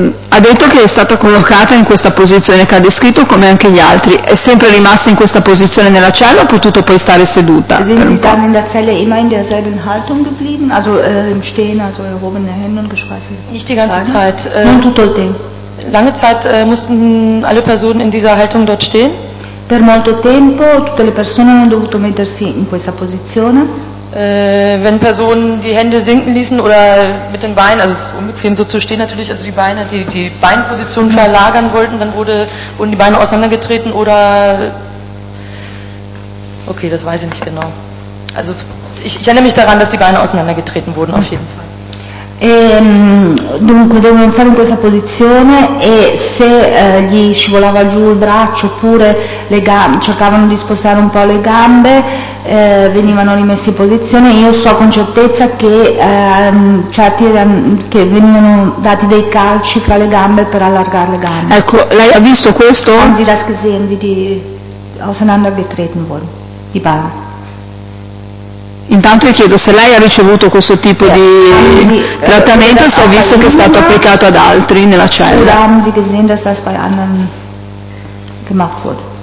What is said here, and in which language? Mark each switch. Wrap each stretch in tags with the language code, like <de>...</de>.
<it>Ha detto che è stata collocata in questa posizione che ha descritto, come anche gli altri. È sempre rimasta in questa posizione nella cella o ha potuto poi stare seduta?</it> <de>Sind Sie dann in der Zelle immer in derselben Haltung geblieben? Also im Stehen, also erhobene Hände und gespreizt? Nicht die ganze Zeit.</de> <it>Non tutto il tempo.</it> <de>Lange Zeit mussten alle Personen in dieser Haltung dort stehen?</de> <it>Per molto tempo tutte le persone hanno dovuto mettersi in questa posizione.</it> <de>Wenn Personen die Hände sinken ließen oder mit den Beinen, also es ist unbequem so zu stehen natürlich, also die Beinposition verlagern wollten, dann wurden die Beine auseinandergetreten oder, okay, das weiß ich nicht genau. Also ich erinnere mich daran, dass die Beine auseinandergetreten wurden auf jeden Fall.</de> <it>Dunque devono stare in questa posizione e se gli scivolava giù il braccio oppure le gambe, cercavano di spostare un po' le gambe, venivano rimessi in posizione. Io so con certezza che certi che venivano dati dei calci fra le gambe per allargare le gambe. Ecco, lei ha visto questo?</it> <de>Anzi, das gesehen, wie die auseinandergetreten wurden, die Bahn.</de> <it>Intanto io chiedo se lei ha ricevuto questo tipo di trattamento e se ha visto che è stato applicato ad altri nella cella.</it> <de>Haben Sie gesehen, dass das bei anderen gemacht wurde?</de>